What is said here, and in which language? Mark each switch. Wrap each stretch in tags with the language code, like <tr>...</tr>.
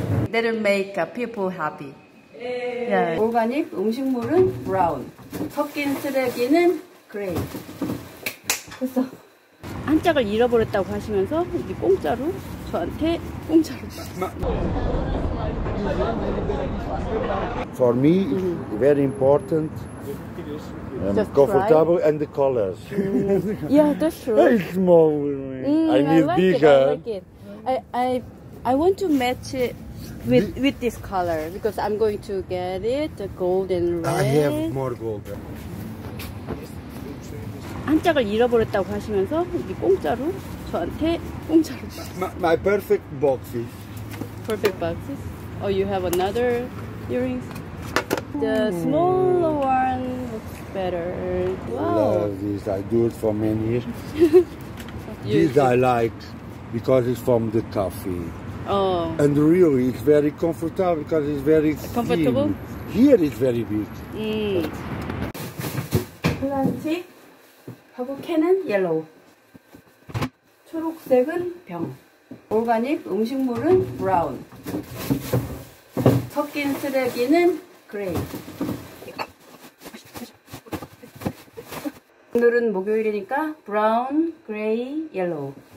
<en>That'll make people happy. Yeah. Yeah.</en> <ko>Organic 음식물은 brown. 섞인 쓰레기는 gray. 됐어. 한 짝을 잃어버렸다고 하시면서 이제 공짜로 저한테 공짜로</ko> <en>For me, very important. Comfortable right. And the colors. Yeah, that's true. It's small with me. I need bigger. I like it. I want to match it with this color because I'm going to get it the gold and red. I have more gold. 한 짝을 잃어버렸다고 하시면서 이제 공짜로 저한테 공짜로. My perfect boxes. Perfect boxes. Oh, you have another earrings. The smaller one looks better. Wow. Love this. I do it for many years. This too. I like because it's from the coffee. Oh. And really, it's very comfortable because it's very comfortable. Thin. Here it's very big. Plastic.</en> <ko>하고 캔은 yellow. 초록색은 병. 오가닉 음식물은 brown. 섞인 쓰레기는 gray. 오늘은 목요일이니까 brown, gray, yellow.</ko>